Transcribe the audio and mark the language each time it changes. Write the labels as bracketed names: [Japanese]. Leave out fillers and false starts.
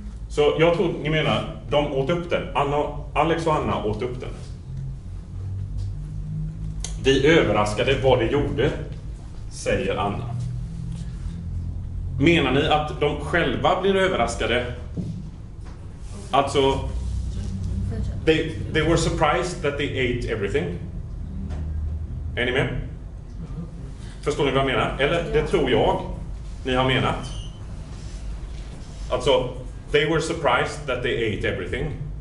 [Swedish] Så jag tror ni menar, de åt upp den. Alex och Anna åt upp den. Vi överraskade vad det gjorde, säger Anna. Menar ni att de själva blir överraskade? Alltså... [English] They were surprised that they ate everything. [Swedish] Är ni med? Förstår ni vad jag menar? Eller det tror jag ni har menat. Alltså, [English] they were surprised that they ate everything.